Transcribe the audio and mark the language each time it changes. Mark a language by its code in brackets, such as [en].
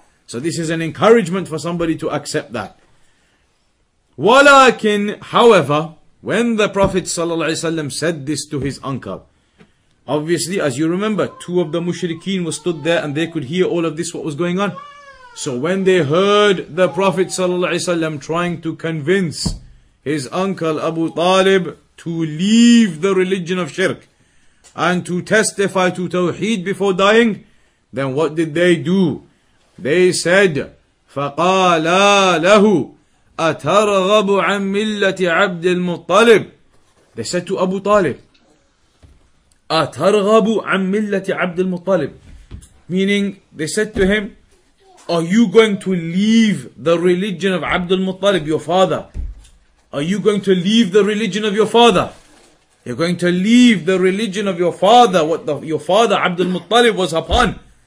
[en] So this is an encouragement for somebody to accept that. Walakin, however, when the Prophet ﷺ said this to his uncle, obviously, as you remember, two of the mushrikeen were stood there and they could hear all of this, what was going on. So when they heard the Prophet ﷺ trying to convince his uncle Abu Talib to leave the religion of shirk and to testify to Tawheed before dying, then what did they do? They said, [ar] فَقَالَا لَهُ أَتَرَغَبُ عَن مِلَّةِ عَبْدِ الْمُطَّلِبِ. [en] They said to Abu Talib, [ar] أَتَرْغَبُ عَن مِلَّةِ عَبْدِ الْمُطَّلِبِ, [en] meaning they said to him, are you going to leave the religion of Abdul Muttalib, your father? Are you going to leave the religion of your father? You're going to leave the religion of your father, what your father Abdul Muttalib was upon.